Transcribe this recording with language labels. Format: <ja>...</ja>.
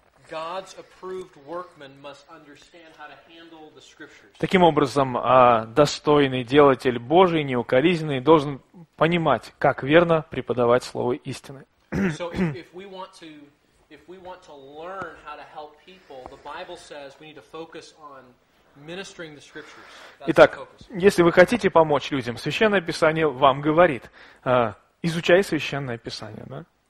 <en>God's approved workman must understand how to handle the scriptures.</en> <ru>Таким образом, достойный делатель Божий, неукоризненный, должен понимать, как верно преподавать слово истины.</ru> <en>So if we want to learn how to help people, the Bible says we need to focus on ministering the scriptures.</en> <ru>Итак, если вы хотите помочь людям, Священное Писание вам говорит: изучай Священное Писание, да?</ru>